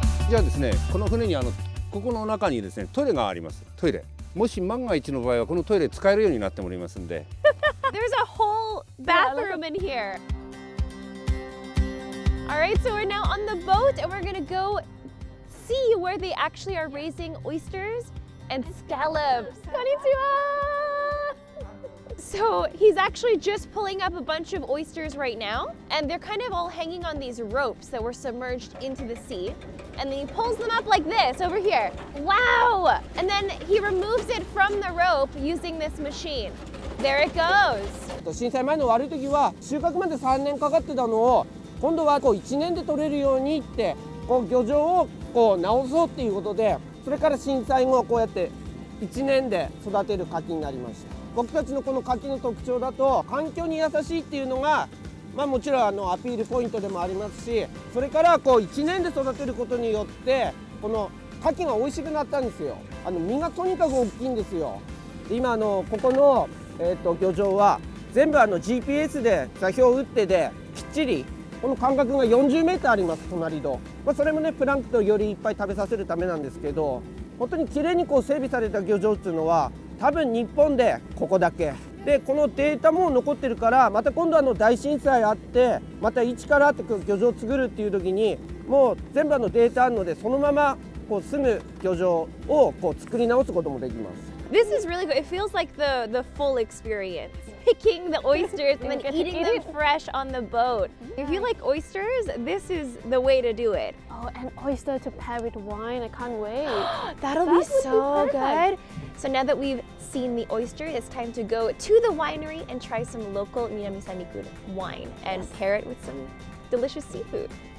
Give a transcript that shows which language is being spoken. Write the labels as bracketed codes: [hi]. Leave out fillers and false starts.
[ja] じゃあですね、この船にここの中にですね、トイレがあります。トイレ。もし万が一の場合は、このトイレ使えるようになっておりますんで。 [en] There's a whole bathroom in here. Alright, so we're now on the boat and we're gonna go see where they actually are raising oysters and scallops. Konnichiwa! So he's actually just pulling up a bunch of oysters right now, and they're kind of all hanging on these ropes that were submerged into the sea. And then he pulls them up like this over here. Wow! And then he removes it from the rope using this machine. There it goes. [ja] 震災前の悪い時は収穫まで3年かかってたのを、今度は1年で取れるようにって、漁場を直そうっていうことで、それから震災後はこうやって1年で育てる柿になりました。僕たちのこの柿の特徴だと環境に優しいっていうのが、まあ、もちろんアピールポイントでもありますし、それから1年で育てることによってこの柿が美味しくなったんですよ。身がとにかく大きいんですよ。今ここの漁場は全部GPS で座標を打ってで、きっちりこの間隔が40メートルあります、隣と。まあ、それもね、プランクトンをよりいっぱい食べさせるためなんですけど、本当にきれいに整備された漁場っていうのは多分日本でここだけで、このデータも残ってるから、また今度大震災あって、また一からって漁場を作るっていう時にもう全部データあるので、そのまま住む漁場を作り直すこともできます。 [en] This is really good. It feels like the full experience. Picking the oysters and then eating them fresh on the boat. If you like oysters, this is the way to do it. Oh, and oyster to pair with wine. I can't wait. That'll be so good. So now that we've seen the oyster, it's time to go to the winery and try some local Minamisanriku wine and pair it with some delicious seafood.